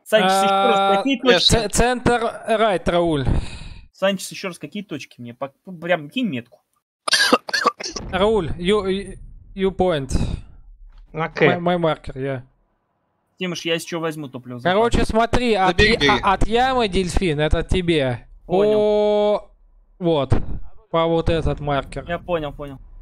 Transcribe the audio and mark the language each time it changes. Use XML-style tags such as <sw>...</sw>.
<ru>Санчес, еще раз, какие точки? Центр, райт, Рауль. Санчес, еще раз, какие точки мне? Прям кинь метку.</ru> <en>Рауль, you point. Okay. My marker, yeah.</en> <ru>Тимош, я еще возьму топливо. Короче, смотри, от ямы, дельфин, это тебе. Понял. Вот. По вот этот маркер. Я понял, понял.</ru>